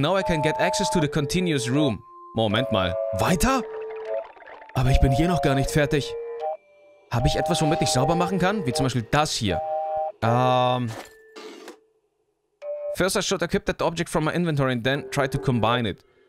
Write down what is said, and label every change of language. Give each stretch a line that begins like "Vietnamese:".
English: Now I can get access to the continuous room.
German: Moment mal. Weiter? Aber ich bin hier noch gar nicht fertig. Habe ich etwas, womit ich sauber machen kann? Wie zum Beispiel das hier.
English: First I should equip that object from my inventory and then try to combine it.